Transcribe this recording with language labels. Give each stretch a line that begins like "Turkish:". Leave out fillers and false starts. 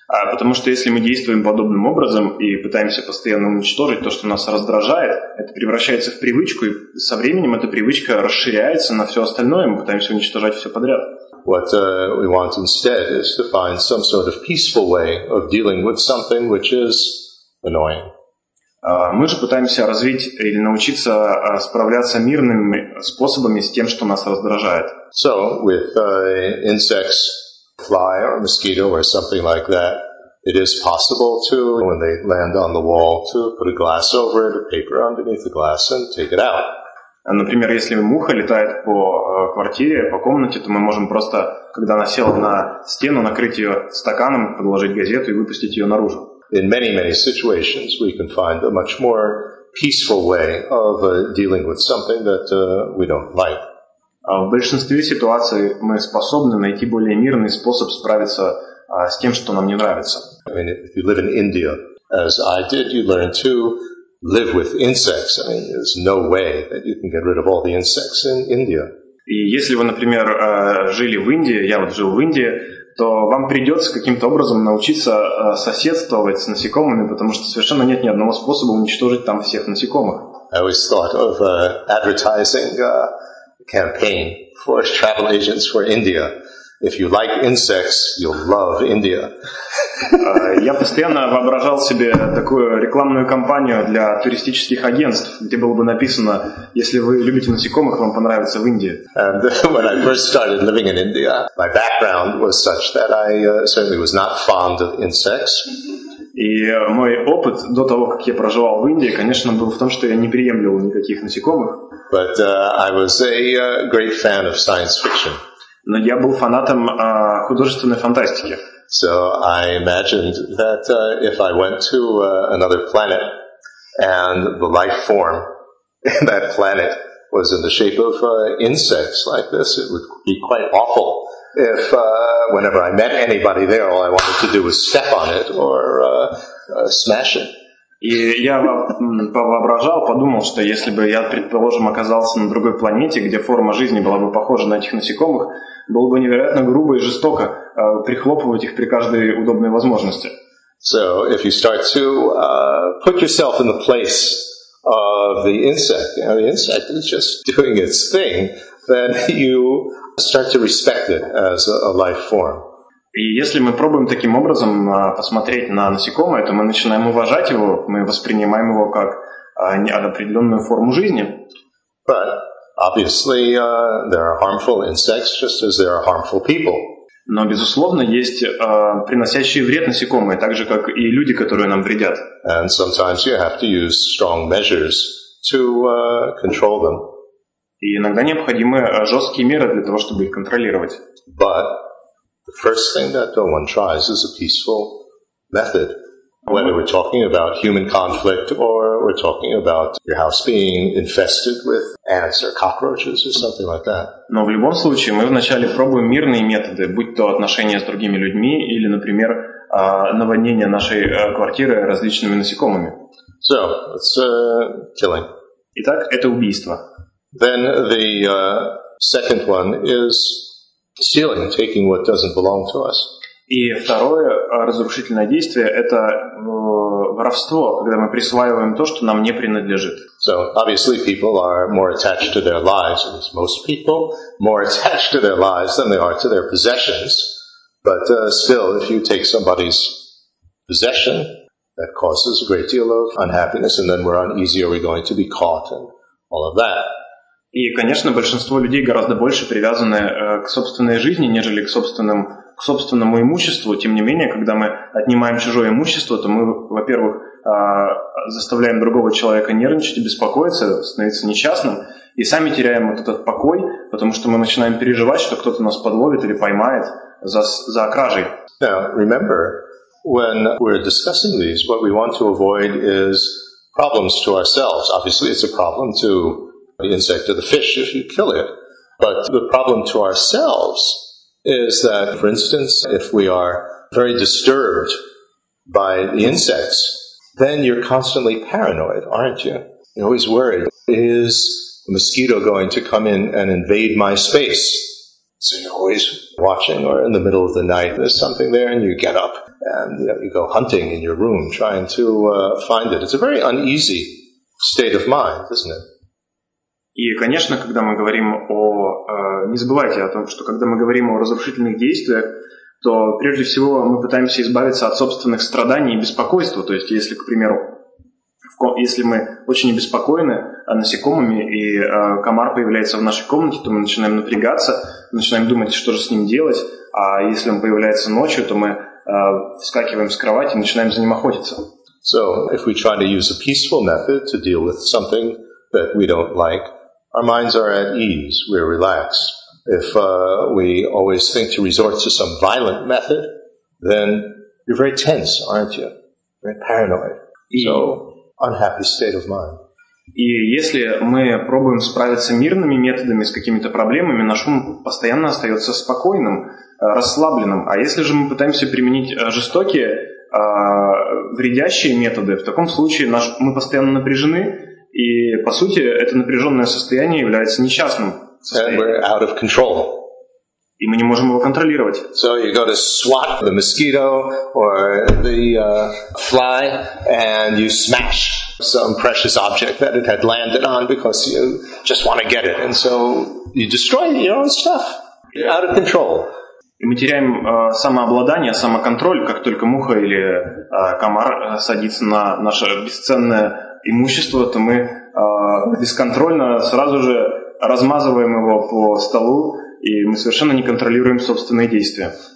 Russian: Потому что если мы действуем подобным образом и пытаемся постоянно уничтожить то, что нас раздражает, это превращается в привычку, и со временем эта привычка расширяется на все остальное, мы пытаемся уничтожать все подряд.
English: What we want instead is to find some sort of peaceful way of dealing with something which is annoying.
Russian: Мы же пытаемся развить или научиться справляться мирными способами с тем, что нас раздражает.
English: So, with insects, fly or mosquito or something like that, it is possible to, when they land on the wall, to put a glass over it, a paper underneath the glass, and take it out.
Russian: Например, если муха летает по квартире, по комнате, то мы можем просто, когда она села на стену, накрыть ее стаканом, подложить газету и выпустить ее наружу.
English: In many, many situations we can find a much more peaceful way of dealing with something that we don't like.
Russian: В большинстве ситуаций мы способны найти более мирный способ справиться с тем, что нам не нравится.
English: I mean, if you live in India, as I did, you learn to live with insects. I mean, there's no way that you can get rid of all the insects in India.
Russian: И если вы, например, жили в Индии, я вот жил в Индии, то вам придется каким-то образом научиться соседствовать с насекомыми, потому что совершенно нет ни одного способа уничтожить там всех насекомых.
English: I always thought of advertising campaign for travel agents for India. If you like insects, you'll love India.
Russian: Я постоянно воображал себе такую рекламную кампанию для туристических агентств, где было бы написано, если вы любите насекомых, вам понравится в Индии.
English: And when I first started living in India, my background was such that I certainly was not fond of insects.
Russian: И мой опыт до того, как я проживал в Индии, конечно, был в том, что я не приемлил никаких насекомых.
English: But I was a great fan of science fiction.
Russian: Но я был фанатом художественной фантастики.
English: So I imagined that if I went to another planet and the life form in that planet was in the shape of insects like this, it would be quite awful if whenever I met anybody there, all I wanted to do was step on it or smash it.
Russian: И я воображал, подумал, что если бы я, предположим, оказался на другой планете, где форма жизни была бы похожа на этих насекомых, было бы невероятно грубо и жестоко прихлопывать их при каждой удобной возможности.
English: So, if you start to put yourself in the place of the insect, you know, the insect is just doing its thing, then you start to respect it as a life form.
Russian: И если мы пробуем таким образом посмотреть на насекомое, то мы начинаем уважать его, мы воспринимаем его как неопределенную форму жизни.
English: But obviously there are harmful insects, just as there are harmful people.
Russian: Но безусловно есть приносящие вред насекомые, так же как и люди, которые нам вредят.
English: And sometimes you have to use strong measures to control them.
Russian: И иногда необходимы жесткие меры для того, чтобы их контролировать.
English: But the first thing that one tries is a peaceful method. Whether we're talking about human conflict or we're talking about your house being infested with ants or cockroaches or something like that.
Russian: Но в любом случае мы вначале пробуем мирные методы, будь то отношения с другими людьми или, например, наводнение нашей квартиры различными насекомыми.
English: So, it's killing.
Russian: Итак, это убийство.
English: Then the second one is stealing, taking what doesn't belong to us.
Russian: И второе разрушительное действие – это воровство, когда мы присваиваем то, что нам не принадлежит.
English: So, obviously, people are more attached to their lives, at least most people, more attached to their lives than they are to their possessions. But still, if you take somebody's possession, that causes a great deal of unhappiness, and then we're uneasy, are we going to be caught, and all of that.
Russian: И, конечно, большинство людей гораздо больше привязаны к собственной жизни, нежели к собственному имуществу. Тем не менее, когда мы отнимаем чужое имущество, то мы, во-первых, заставляем другого человека нервничать и беспокоиться, становиться несчастным, и сами теряем вот этот покой, потому что мы начинаем переживать, что кто-то нас подловит или поймает за кражей.
English: Now, remember, when we're discussing these, what we want to avoid is problems to ourselves. Obviously, it's a problem to the insect or the fish if you kill it. But the problem to ourselves is that, for instance, if we are very disturbed by the insects, then you're constantly paranoid, aren't you? You're always worried. Is a mosquito going to come in and invade my space? So you're always watching, or in the middle of the night there's something there and you get up and you know, you go hunting in your room trying to find it. It's a very uneasy state of mind, isn't it?
Russian: И, конечно, когда мы говорим о... Не забывайте о том, что когда мы говорим о разрушительных действиях, то прежде всего мы пытаемся избавиться от собственных страданий и беспокойства. То есть, если, к примеру, если мы очень обеспокоены насекомыми, и комар появляется в нашей комнате, то мы начинаем напрягаться, начинаем думать, что же с ним делать. А если он появляется ночью, то мы вскакиваем с кровати и начинаем за ним охотиться.
English: So, if we try to use a peaceful method to deal with something that we don't like, our minds are at ease, we're relaxed. If we always think to resort to some violent method, then you're very tense, aren't you? Very paranoid. So, unhappy state of mind.
Russian: И если мы пробуем справиться мирными методами с какими-то проблемами, наш ум постоянно остается спокойным, расслабленным. А если же мы пытаемся применить жестокие, вредящие методы, в таком случае мы постоянно напряжены, и, по сути, это напряженное состояние является несчастным состоянием.
English: And we're out of control.
Russian: И мы не можем его контролировать.
English: So you go to swat the mosquito or the fly and you smash some precious object that it had landed on because you just want to get it. And so you destroy your own stuff. You're out of control.
Russian: И мы теряем самообладание, самоконтроль, как только муха или комар садится на наше бесценное имущество, то мы бесконтрольно сразу же размазываем его по столу, и мы совершенно не контролируем собственные действия.